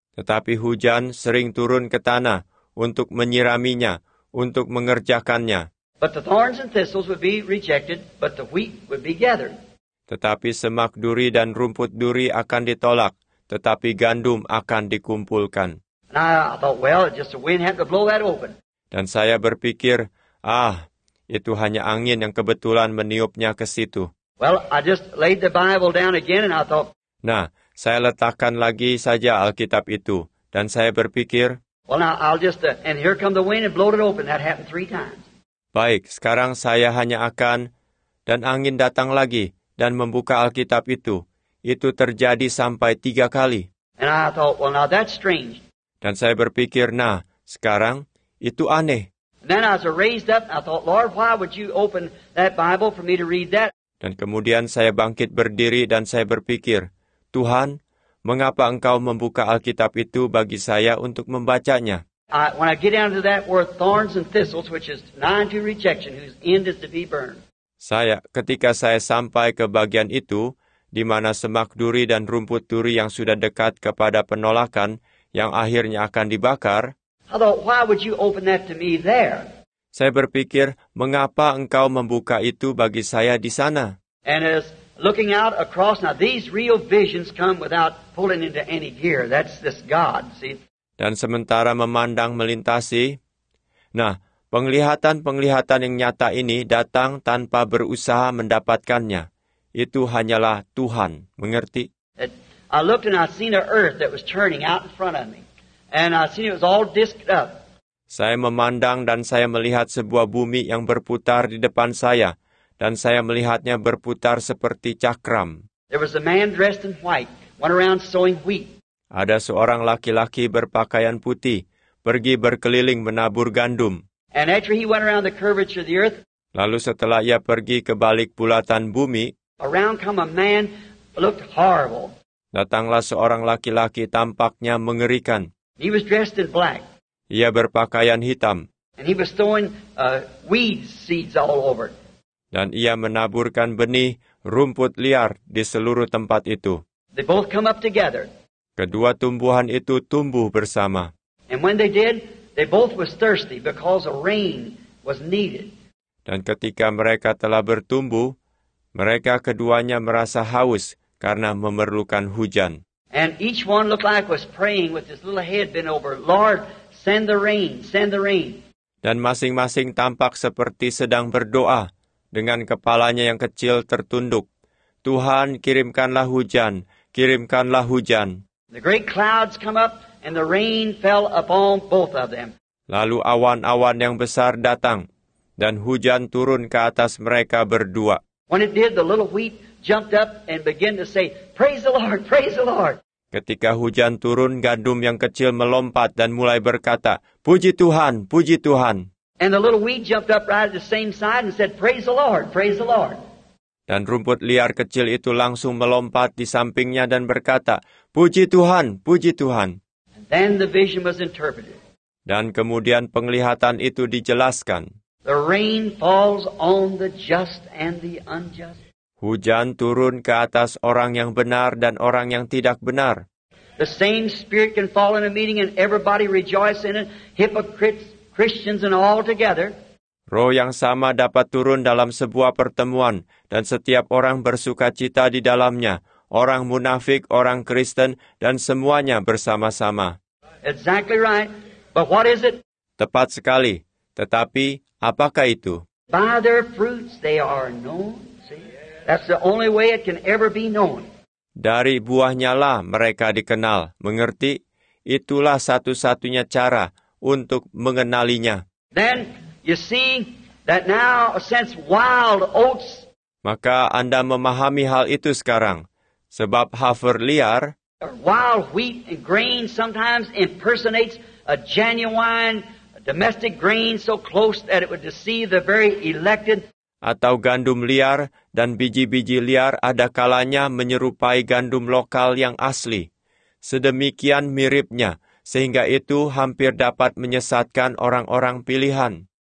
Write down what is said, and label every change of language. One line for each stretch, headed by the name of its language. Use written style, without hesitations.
Indonesian: Tetapi hujan sering turun ke tanah untuk menyiraminya, untuk mengerjakannya.
English: But the thorns and thistles would be rejected, but the wheat would be gathered.
Indonesian: Tetapi semak duri dan rumput duri akan ditolak, tetapi gandum akan dikumpulkan.
English: And I thought, well, just the wind had to blow that open.
Indonesian: Dan saya berpikir, ah, itu hanya angin yang kebetulan meniupnya ke situ.
English: Well, I just laid the Bible down again and I thought.
Indonesian: Nah, saya letakkan lagi saja Alkitab itu dan saya berpikir.
English: Well, now I'll just and here come the wind and blow it open. That happened 3 times.
Indonesian: Baik, sekarang saya hanya akan, dan angin datang lagi, dan membuka Alkitab itu. Itu terjadi sampai 3 kali.
English: And I thought, well, now that's strange.
Indonesian: Dan saya berpikir, nah, sekarang, itu aneh.
English: And then I was raised up, and I thought, Lord, why would you open that Bible for me to read that?
Indonesian: Dan kemudian saya bangkit berdiri, dan saya berpikir, Tuhan, mengapa Engkau membuka Alkitab itu bagi saya untuk membacanya?
English: When I get down to that word thorns and thistles, which is nigh unto rejection, whose end is to be burned.
Indonesian: Saya, ketika saya sampai ke bagian itu, di mana semak duri dan rumput duri yang sudah dekat kepada penolakan, yang akhirnya akan dibakar.
English: I thought, why would you open that to me there?
Indonesian: Saya berpikir, mengapa Engkau membuka itu bagi saya di sana?
English: And as looking out across, now these real visions come without pulling into any gear. That's this God, see?
Indonesian: Dan sementara memandang melintasi, nah, penglihatan-penglihatan yang nyata ini datang tanpa berusaha mendapatkannya. itu hanyalah Tuhan, mengerti?
English: I looked and I seen the earth that was turning out in front of me, and I seen it was all disked up.
Indonesian: Saya memandang dan saya melihat sebuah bumi yang berputar di depan saya, dan saya melihatnya berputar seperti cakram.
English: There was a man dressed in white, went around sowing wheat.
Indonesian: Ada seorang laki-laki berpakaian putih, pergi berkeliling menabur gandum.
English: And after he went around the curvature of the earth,
Indonesian: lalu setelah ia pergi ke balik bulatan bumi,
English: around come a man looked horrible.
Indonesian: Datanglah seorang laki-laki tampaknya mengerikan.
English: He was dressed in black.
Indonesian: Ia berpakaian hitam.
English: And he was throwing weed seeds all over.
Indonesian: Dan ia menaburkan benih rumput liar di seluruh tempat itu.
English: They both come up together.
Indonesian: Kedua tumbuhan itu tumbuh bersama.
English: And when they did, they both was thirsty because a rain was needed.
Indonesian: Dan ketika mereka telah bertumbuh, mereka keduanya merasa haus karena memerlukan hujan.
English: And each one looked like was praying with his little head bent over, Lord, send the rain, send the rain.
Indonesian: Dan masing-masing tampak seperti sedang berdoa dengan kepalanya yang kecil tertunduk. Tuhan, kirimkanlah hujan, kirimkanlah hujan.
English: The great clouds come up and the rain fell upon both of them.
Indonesian: Lalu awan-awan yang besar datang dan hujan turun ke atas mereka berdua.
English: When it did, the little wheat jumped up and began to say, "Praise the Lord, praise the Lord."
Indonesian: Ketika hujan turun, gandum yang kecil melompat dan mulai berkata, "Puji Tuhan, puji Tuhan."
English: And the little wheat jumped up right at the same side and said, "Praise the Lord, praise the Lord."
Indonesian: Dan rumput liar kecil itu langsung melompat di sampingnya dan berkata, "Puji Tuhan, puji Tuhan."
English: And then the vision was interpreted.
Indonesian: Dan kemudian penglihatan itu dijelaskan.
English: The rain falls on the just and the unjust.
Indonesian: Hujan turun ke atas orang yang benar dan orang yang tidak benar.
English: The same spirit can fall in a meeting and everybody rejoice in it, hypocrites, Christians and all together.
Indonesian: Roh yang sama dapat turun dalam sebuah pertemuan dan setiap orang bersukacita di dalamnya, orang munafik, orang Kristen dan semuanya bersama-sama.
English: Exactly right. But what is it?
Indonesian: Tepat sekali. Tetapi apakah itu?
English: By their fruits they are known. That's the only way it can ever be known.
Indonesian: Dari buahnya lah mereka dikenal, mengerti? Itulah satu-satunya cara untuk mengenalinya.
English: Then you see that now since wild oats.
Indonesian: Maka Anda memahami hal itu sekarang, sebab hafer liar.
English: Wild wheat and grain sometimes impersonates a genuine domestic grain so close that it would deceive the very elected.
Indonesian: Atau gandum liar dan biji-biji liar ada kalanya menyerupai gandum lokal yang asli. Sedemikian miripnya, sehingga itu hampir dapat menyesatkan orang-orang pilihan.